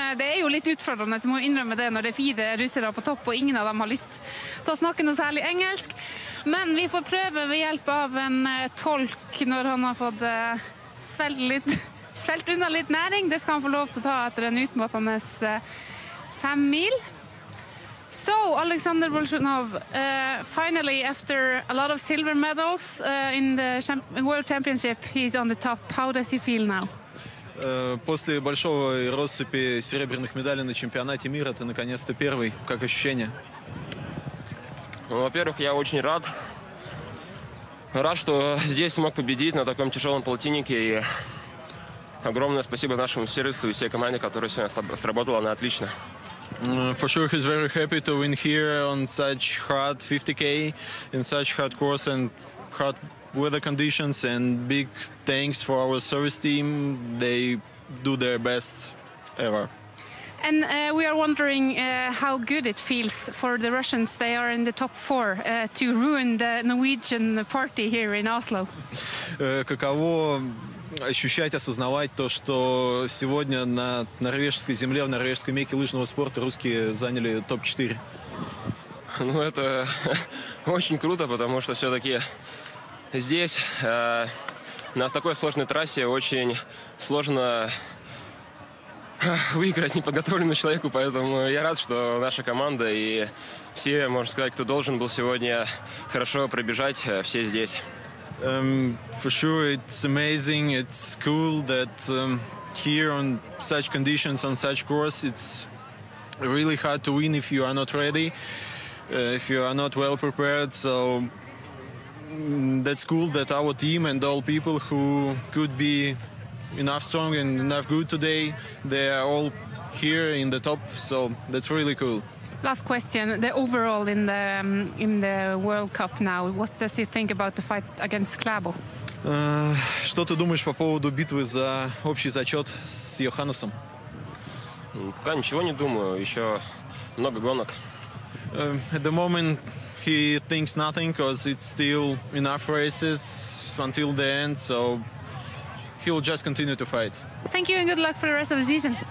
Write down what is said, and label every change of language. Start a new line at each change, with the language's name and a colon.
Norwegian: Det jo litt utfordrende, så må innrømme det når det fire russere på topp, og ingen av dem har lyst til å snakke noe særlig engelsk. Men vi får prøve ved hjelp av en tolk når han har fått svelt unna litt næring. Det skal han få lov til å ta etter en utmattende 5 mil.
English: So, Alexander Bolsjunov, finally, after a lot of silver medals in the World Championship, he's on the top. How does he feel now?
Russian: После большого россыпи серебряных медалей на чемпионате мира, ты наконец-то первый. Как ощущения? Ну, во-первых, я очень рад. Рад, что здесь смог победить на таком тяжелом полтиннике. И огромное спасибо нашему сервису и всей команде, которая сегодня сработала. Она отлично.
English: For sure, he's very happy to win here on such hard 50K, in such hard course and hard weather conditions. And big thanks for our service team. They do their best ever. And we are wondering how good it feels for the Russians. They are in the top four to ruin the Norwegian party here in Oslo.
Russian: Каково ощущать, осознавать то, что сегодня на норвежской земле, в норвежской мекке лыжного спорта русские заняли топ-4. Ну, это очень круто, потому что все-таки здесь, на такой сложной трассе, очень сложно выиграть неподготовленному человеку, поэтому я рад, что наша команда и все, можно сказать, кто должен был сегодня хорошо пробежать, все здесь.
English: For sure, it's amazing. It's cool that here on such conditions, on such course, it's really hard to win if you are not ready, if you are not well prepared. So that's cool that our team and all people who could be enough strong and enough good today, they are all here in the top. So that's really cool. Last question, the overall in the World Cup now, what does you think about the fight against Klabo?
Russian: Что ты думаешь по поводу битвы за общий зачет с Йоханнесом? Пока ничего не думаю, еще много гонок.
English: At the moment he thinks nothing, because it's still enough races until the end, so he'll just continue to fight. Thank you and good luck for the rest of the season.